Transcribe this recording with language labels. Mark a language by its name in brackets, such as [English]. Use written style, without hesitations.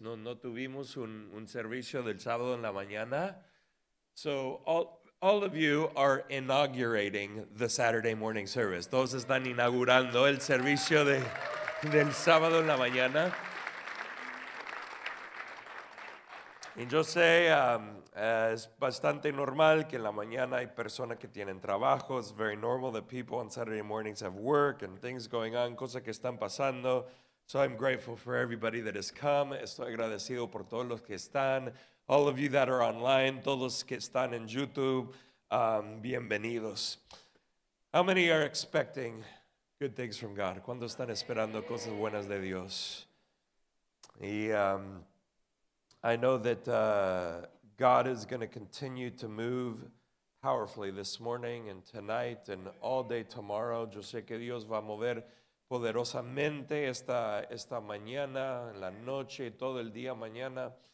[Spanish] No tuvimos un servicio del sábado en la mañana. [English] So all of you are inaugurating the Saturday morning service. [Spanish] Todos están inaugurando el servicio del sábado en la mañana. Y yo sé, es bastante normal que en la mañana hay personas que tienen trabajo. [English] It's very normal that people on Saturday mornings have work and things going on, [Spanish] cosas que están pasando. [English] So I'm grateful for everybody that has come. [Spanish] Estoy agradecido por todos los que están. [English] All of you that are online, [Spanish] todos que están en YouTube, bienvenidos. [English] How many are expecting good things from God? [Spanish] ¿Cuándo están esperando cosas buenas de Dios? [English] Y I know that God is going to continue to move powerfully this morning and tonight and all day tomorrow. [Spanish] Yo sé que Dios va a mover poderosamente esta mañana, en la noche, todo el día mañana.